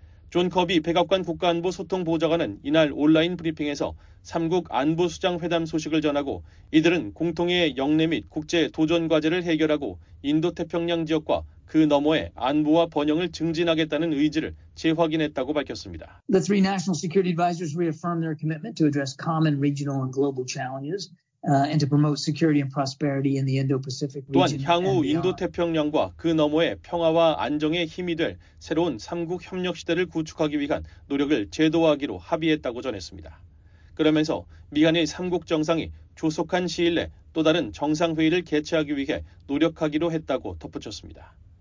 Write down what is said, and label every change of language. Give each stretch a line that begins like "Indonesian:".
Korean: 존 커비 백악관 국가안보 소통 보좌관은 이날 온라인 브리핑에서 3국 안보수장 회담 소식을 전하고 이들은 공통의 역내 및 국제 도전 과제를 해결하고 인도태평양 지역과 그 너머의 안보와 번영을 증진하겠다는 의지를 재확인했다고 밝혔습니다.
English: The three national security advisors reaffirmed their commitment to address common regional and global challenges. And to promote security and prosperity in the Indo-Pacific region.
Korean: 또한 향후 인도태평양과 그 너머의 평화와 안정의 힘이 될 새로운 3국 협력 시대를 구축하기 위한 노력을 제도화하기로 합의했다고 전했습니다. 그러면서 미한일 3국 정상이 조속한 시일 내 또 다른 정상회의를 개최하기 위해 노력하기로 했다고 덧붙였습니다.